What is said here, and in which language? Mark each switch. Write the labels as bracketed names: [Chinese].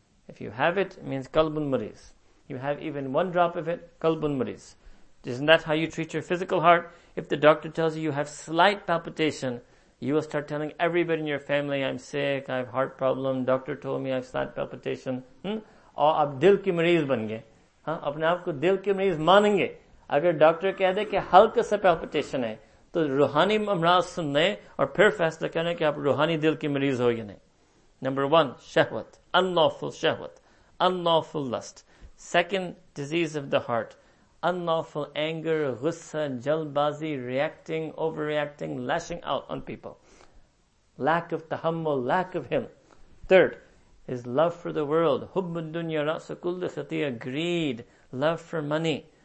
[English] If you have it, it means kalbun muriz. You have even one drop of it, kalbun muriz. Isn't that how you treat your physical heart? If the doctor tells you you have slight palpitation, you will start telling everybody in your family, I'm sick, I have heart problem, doctor told me I have slight palpitation. [Urdu] Or اب دل کی مریض بن گئے۔ اپنے آپ کو دل کی مریض مانینگے۔ اگر doctor کہہ دے کہ ہلکا سا palpitation ہے، تو روحانی امراض سننے، اور پھر فیصلہ کرنے کہ آپ روحانی دل کی مریض ہو یا نہیں۔ [English] Number one, shahwat, unlawful lust. Second, disease of the heart, unlawful anger, ghussa, jalbazi, reacting, overreacting, lashing out on people. Lack of tahammul, lack of him. Third, is love for the world, [Arabic] hubbun dunya ra'su kulli khatiyah, [English] greed, love for money.